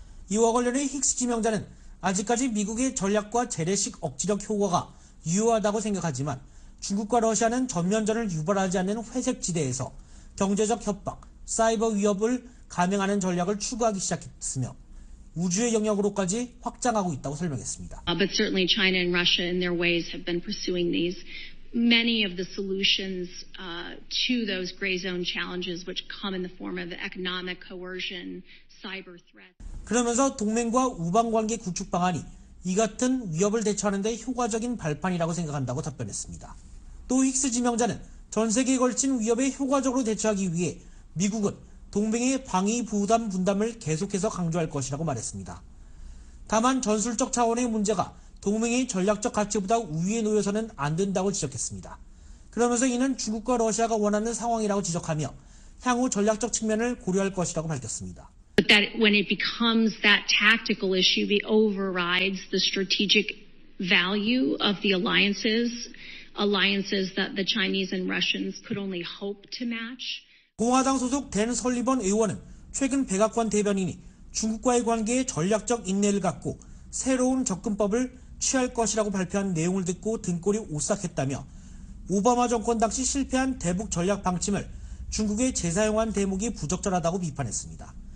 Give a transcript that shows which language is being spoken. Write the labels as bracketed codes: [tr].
[ko] 이와 관련해 힉스 지명자는 아직까지 미국의 전략과 재래식 억지력 효과가 유효하다고 생각하지만 중국과 러시아는 전면전을 유발하지 않는 회색지대에서 경제적 협박, 사이버 위협을 감행하는 전략을 추구하기 시작했으며 우주의 영역으로까지 확장하고 있다고 설명했습니다. [en] But certainly China and Russia in their ways have been pursuing these. Many of the solutions to those gray zone challenges which come in the form of economic coercion, cyber threat. [ko] 그러면서 동맹과 우방관계 구축 방안이 이 같은 위협을 대처하는 데 효과적인 발판이라고 생각한다고 답변했습니다. 또 힉스 지명자는 전 세계에 걸친 위협에 효과적으로 대처하기 위해 미국은 동맹의 방위 부담 분담을 계속해서 강조할 것이라고 말했습니다. 다만 전술적 차원의 문제가 동맹의 전략적 가치보다 우위에 놓여서는 안 된다고 지적했습니다. 그러면서 이는 중국과 러시아가 원하는 상황이라고 지적하며 향후 전략적 측면을 고려할 것이라고 밝혔습니다. [en] But that when it becomes that tactical issue, it overrides the strategic value of the alliances that the Chinese and Russians could only hope to match. [ko] 공화당 소속 댄 설리번 의원은 최근 백악관 대변인이 중국과의 관계에 전략적 인내를 갖고 새로운 접근법을 취할 것이라고 발표한 내용을 듣고 등골이 오싹했다며 오바마 정권 당시 실패한 대북 전략 방침을 중국에 재사용한 대목이 부적절하다고 비판했습니다.